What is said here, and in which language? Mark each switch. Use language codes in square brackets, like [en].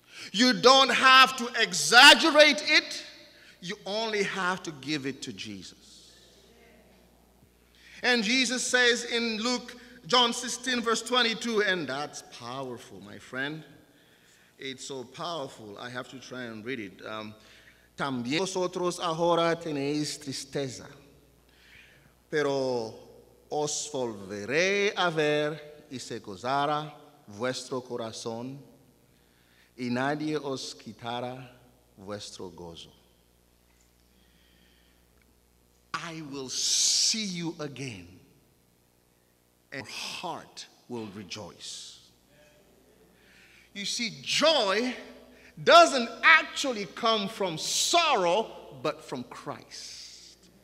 [en] You don't have to exaggerate it. You only have to give it to Jesus. And Jesus says in John 16, verse 22, and that's powerful, my friend. It's so powerful. I have to try and read it. [es] También vosotros ahora tenéis tristeza, pero os volveré a ver y se gozará vuestro corazón, y nadie os quitará vuestro gozo. [en] I will see you again, and your heart will rejoice. You see, joy doesn't actually come from sorrow, but from Christ.